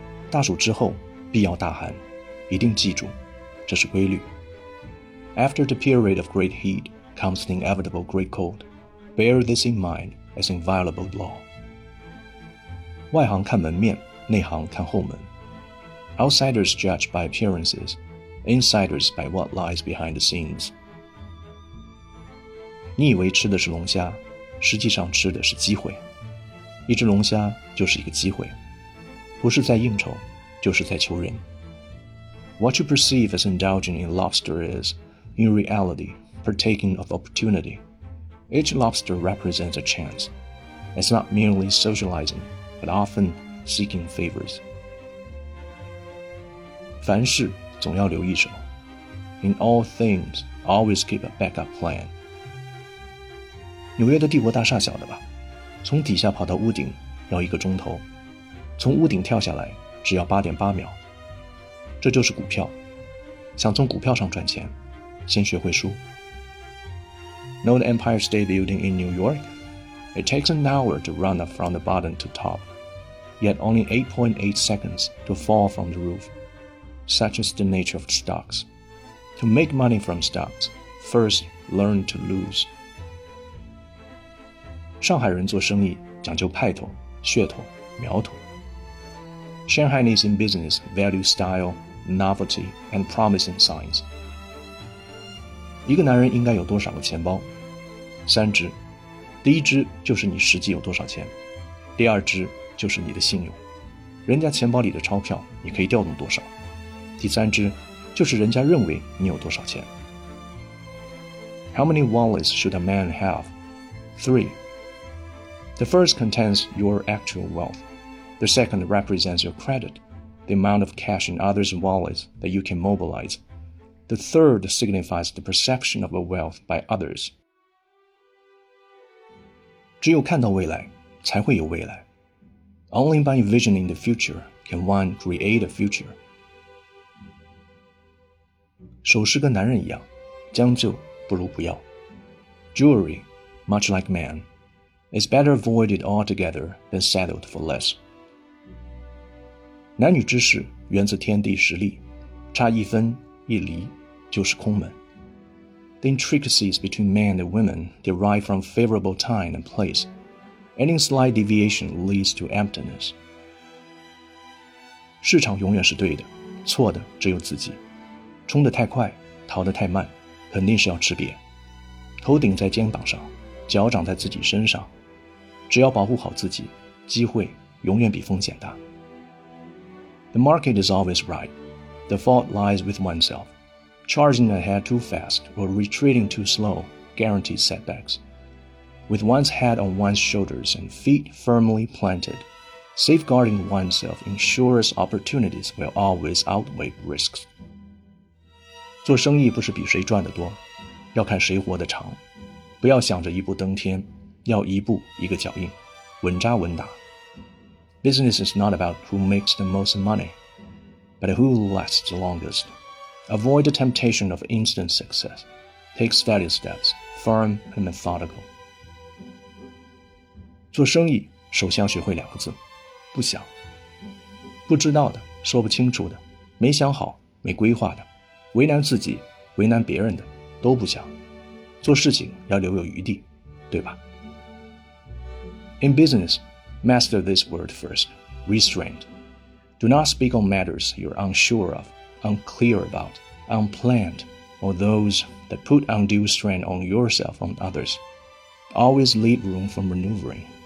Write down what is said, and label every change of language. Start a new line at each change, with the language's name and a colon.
Chinese: 大暑之后必要大寒，一定记住，这是规律。
English: After the period of great heat comes the inevitable great cold. Bear this in mind as inviolable law.
Chinese: 外行看门面，内行看后门。
English: Outsiders judge by appearances, insiders by what lies behind the scenes.
Chinese: 你以为吃的是龙虾，实际上吃的是机会。一只龙虾就是一个机会，不是在应酬，就是在求人。
English: What you perceive as indulging in lobster is, in reality, partaking of opportunity. Each lobster represents a chance. It's not merely socializing, but often seeking favors.
Chinese: 凡事总要留一手。
English: In all things, always keep a backup plan.
Chinese: 纽约的帝国大厦晓得吧？从底下跑到屋顶要一个钟头，从屋顶跳下来只要8.8秒，这就是股票。想从股票上赚钱，先学会输。
English: Know the Empire State Building in New York? It takes an hour to run up from the bottom to top, yet only 8.8 seconds to fall from the roof. Such is the nature of stocks. To make money from stocks, first learn to lose.
Chinese: 上海人做生意讲究派头、噱头、苗头。
English: Shanghainese in business value style, novelty, and promising signs.
Chinese: 一个男人应该有多少个钱包？3只。第一只就是你实际有多少钱，第二只就是你的信用，人家钱包里的钞票你可以调动多少，第三只就是人家认为你有多少钱。
English: How many wallets should a man have? 3. The first contains your actual wealth. The second represents your credit, the amount of cash in others' wallets that you can mobilize. The third signifies the perception of a wealth by others.
Chinese: 只有看到未来，才会有未来。
English: Only by envisioning the future can one create a future.
Chinese: 首饰跟男人一样，将就不如不要。
English: Jewelry, much like man, is better avoided altogether than settled for less.
Chinese: 男女之事源自天地实力，差一分一厘就是空门。
English: The intricacies between men and women derive from favorable time and place. Any slight deviation leads to emptiness.
Chinese: 市场永远是对的，错的只有自己。冲得太快，逃得太慢，肯定是要吃瘪。头顶在肩膀上，脚掌在自己身上，只要保护好自己，机会永远比风险大。
English: The market is always right. The fault lies with oneself. Charging ahead too fast or retreating too slow guarantees setbacks. With one's head on one's shoulders and feet firmly planted, safeguarding oneself ensures opportunities will always outweigh risks.
Chinese: 做生意不是比谁赚得多，要看谁活得长。不要想着一步登天，要一步一个脚印，稳扎稳打。
English: Business is not about who makes the most money, but who lasts the longest. Avoid the temptation of instant success. Take steady steps, firm and methodical.
Chinese: 做生意首先要学会两个字，不想。不知道的，说不清楚的，没想好，没规划的，为难自己，为难别人的，都不想。做事情要留有余地，对吧？
English: In businessMaster this word first, restraint. Do not speak on matters you're unsure of, unclear about, unplanned, or those that put undue strain on yourself and others. Always leave room for maneuvering.